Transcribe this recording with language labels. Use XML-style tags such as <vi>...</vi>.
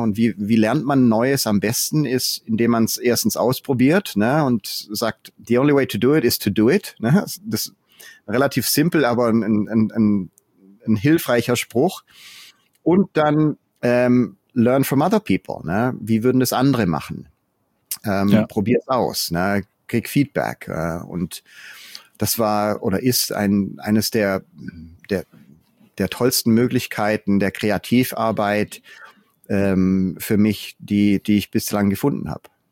<de>Und wie lernt man Neues am besten ist, indem man es erstens ausprobiert, ne? Und sagt,</de> <en>the only way to do it</en> <de>is to do it. Ne? Das ist relativ simpel, aber ein hilfreicher Spruch. Und dann</de> <en>learn from other people.</en> <de>Ne? Wie würden das andere machen? Probier es aus. Ne? Krieg Feedback. Und das war oder ist eines der tollsten Möglichkeiten der Kreativarbeit für mich, die ich bislang gefunden habe.</de>